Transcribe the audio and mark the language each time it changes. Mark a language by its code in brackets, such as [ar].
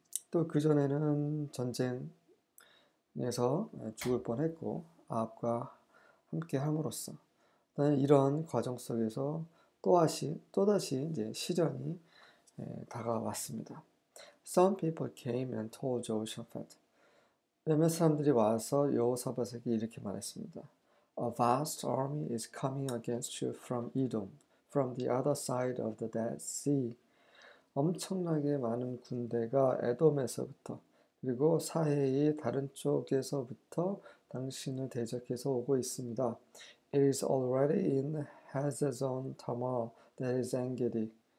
[ko] 또 그전에는 전쟁에서 죽을 뻔했고, 아합과 함께 함으로써. 이런 과정 속에서 또다시 이제 시련이 다가왔습니다. [en] Some people came and told Jehoshaphat. [ko] 몇몇 사람들이 와서 여호사밧에게 이렇게 말했습니다. [en] A vast army is coming against you from Edom, from the other side of the Dead Sea. [ko] 엄청나게 많은 군대가 에돔에서부터 그리고 사해의 다른 쪽에서부터 당신을 대적해서 오고 있습니다. [en] It is already in Hazazon Tamar, that is Engedi.